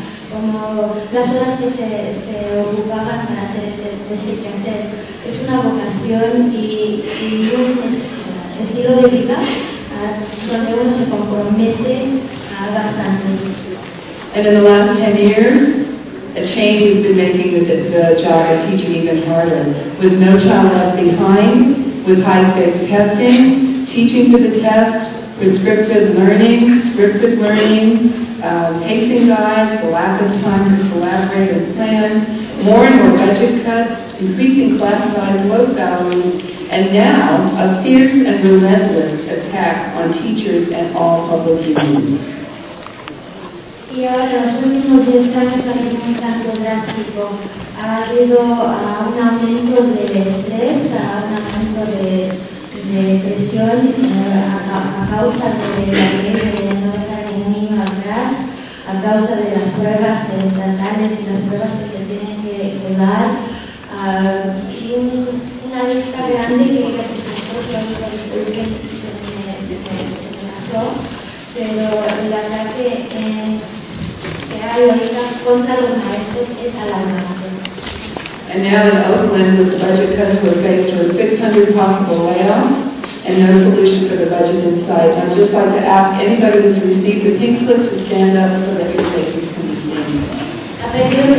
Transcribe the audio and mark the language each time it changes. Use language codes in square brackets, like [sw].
[es] Como las horas que se ocupaban para hacer este quehacer. Es una vocación y un estilo de vida donde uno se compromete bastante. [en] And in the last 10 years, a change has been making the job of teaching even harder. With no child left behind, with high stakes testing, teaching to the test, prescriptive learning, scripted learning, pacing guides, the lack of time to collaborate and plan, more and more budget cuts, increasing class size, low salaries, and now a fierce and relentless attack on teachers and all public unions. [es] Y ahora los últimos 10 años ha sido un cambio drástico. Ha habido un aumento de estrés, un aumento de presión a causa de la guerra de no dejar el niño atrás, a causa de las pruebas estatales y las pruebas que se tienen que dar. Y una lista grande que el profesor se pasó, pero la verdad que [en] and now in Oakland, with the budget cuts, we're faced with 600 possible layoffs and no solution for the budget in sight. I'd just like to ask anybody who's received a pink slip to stand up so that your faces can be seen.